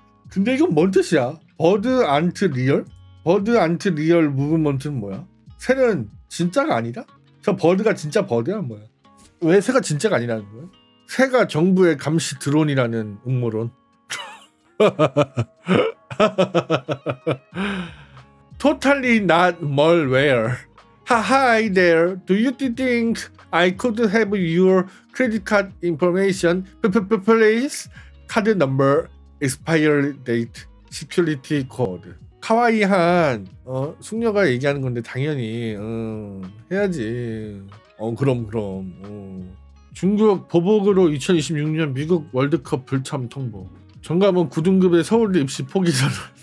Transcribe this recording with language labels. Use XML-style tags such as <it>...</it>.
<ko>근데 이건 뭔 뜻이야? 버드 안트 리얼? 버드 안트 리얼 무브먼트는 뭐야? 새는 진짜가 아니다? 저 버드가 진짜 버드야 뭐야? 왜 새가 진짜가 아니라는 거야? 새가 정부의 감시 드론이라는 음모론.</ko> <en>토탈리 not malware. Hi there. Do you think I could have your credit card information, please? Card number, expired date, security code.</en> <ko>카와이한 숙녀가 얘기하는 건데 당연히 해야지. 그럼. 중국 보복으로 2026년 미국 월드컵 불참 통보. 정감은 9등급의 서울대 입시 포기 선언.</ko>